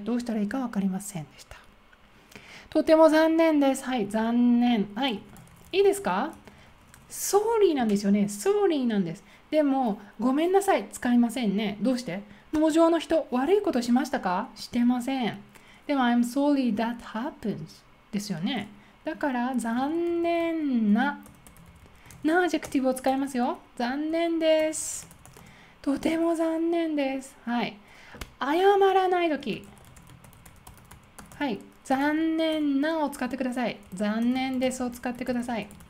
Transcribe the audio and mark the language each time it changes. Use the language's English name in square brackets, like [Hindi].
[Japanese] どうしたらいいかわかりませんでした。とても残念です。はい。残念。はい。いいですか？ソーリーなんですよね。ソーリーなんです。でも、ごめんなさい。使いませんね。どうして？農場の人、悪いことしましたか？してません。でも、 [English] I'm sorry that happens [Japanese] ですよね。だから、残念な。なアジェクティブを使いますよ。残念です。とても残念です。はい。謝らないとき。はい。残念なを使ってください。残念ですを使ってください。